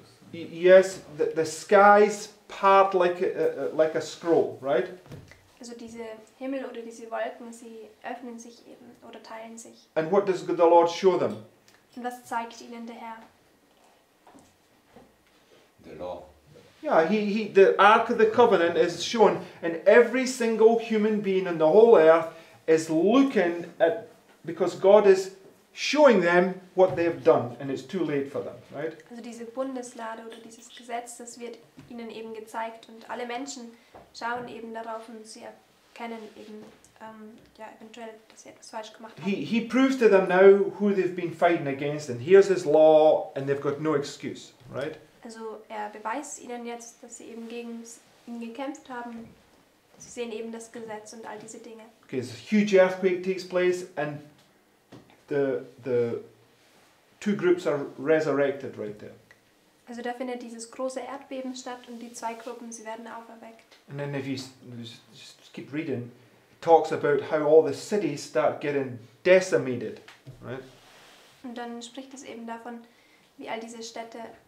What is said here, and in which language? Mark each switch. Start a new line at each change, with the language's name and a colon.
English: Yes, the skies part like a scroll, right?
German: Also diese Himmel oder diese Wolken, sie öffnen sich eben oder teilen sich.
English: And what does the Lord show them?
German: Und was zeigt ihnen der Herr?
English: The law. Yeah, he the Ark of the Covenant is shown, and every single human being on the whole earth is looking at, because God is showing them what they've done, and it's too late for them, right?
German: Also diese Bundeslade oder dieses Gesetz, das wird ihnen eben gezeigt, und alle Menschen schauen eben darauf und sie erkennen eben eventuell, dass sie etwas falsch gemacht haben.
English: He proves to them now who they've been fighting against, and here's his law, and they've got no excuse, right?
German: Also er beweist ihnen jetzt, dass sie eben gegen ihn gekämpft haben. Sie sehen eben das Gesetz und all diese Dinge.
English: Okay, so a huge earthquake takes place and the two groups are resurrected right there.
German: Also da findet dieses große Erdbeben statt und die zwei Gruppen, sie werden auferweckt.
English: And then if you just keep reading, it talks about how all the cities start getting decimated, right?
German: Und dann spricht es eben davon, wie all diese Städte